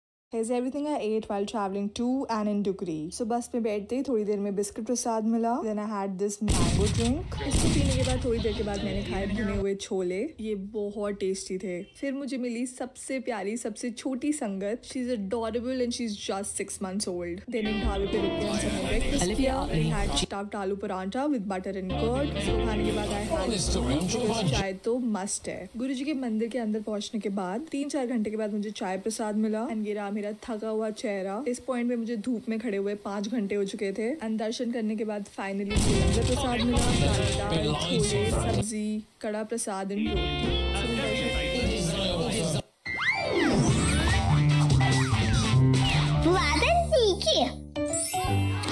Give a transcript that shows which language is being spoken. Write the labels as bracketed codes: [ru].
[en] Here's everything I ate while traveling to and in Dukri. [hi] सो बस पे बैठते ही थोड़ी देर में बिस्किट प्रसाद मिला। [en] Then I had this mango drink. [hi] इसको पीने के बाद थोड़ी देर के बाद मैंने खाए भुने हुए छोले। ये बहुत टेस्टी थे। फिर मुझे मिली सबसे प्यारी सबसे छोटी संगत। [en] She's adorable and she's just 6 months old. [hi] Then इन ढाबे पे रुकते हैं [en] some breakfast. I had stuffed aloo paranta with butter and curd. So [hi] khane ke baad [en] I had chai to must hai. [hi] गुरुजी के मंदिर के अंदर पहुँचने के बाद 3-4 घंटे के बाद मुझे चाय प्रसाद मिला and गिरा मेरा थका हुआ चेहरा इस पॉइंट पे मुझे धूप में खड़े हुए 5 घंटे हो चुके थे एंड दर्शन करने के बाद फाइनली लंगर प्रसाद मिला दाल छोले सब्जी कड़ा प्रसाद एंड रोटी